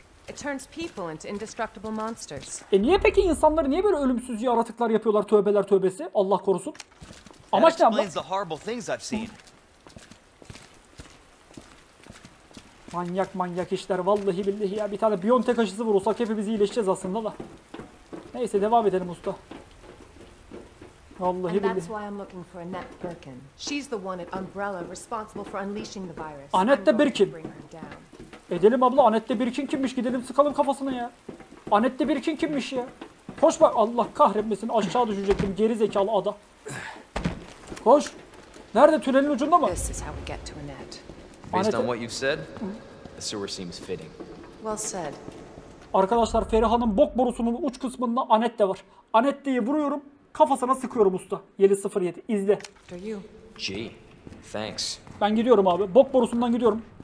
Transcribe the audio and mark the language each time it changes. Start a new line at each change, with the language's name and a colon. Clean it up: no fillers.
English: It turns people into indestructible monsters.
Turkish: E niye peki insanları niye böyle ölümsüz yaratıklar yapıyorlar tövbeler tövbesi? Allah korusun. Amaç ne ama?
English: The horrible things I've seen.
Turkish: Manyak manyak işler vallahi billahi ya. Bir tane Biontech aşısı vurursak hepimiz iyileşeceğiz aslında da. Neyse devam edelim usta. Vallahi billahi.
English: That's why I'm looking for Annette Birkin. She's the one at Umbrella responsible for unleashing the virus. Annette Birkin.
Turkish: Edelim abla Annette Birkin kimmiş gidelim sıkalım kafasını ya. Annette Birkin kimmiş ya? Koş bak Allah kahretmesin aşağı düşecektim geri zekalı ada. Koş. Nerede tünelin ucunda mı?
English: This is how we get to Annette. Based on what you've said, the sewer seems fitting. Well said.
Turkish: Arkadaşlar Feriha'nın bok borusunun uç kısmında Annette var. Annette'yi vuruyorum kafasına sıkıyorum usta. 707 izle.
English: For you. Gee, thanks.
Turkish: Ben gidiyorum abi bok borusundan gidiyorum.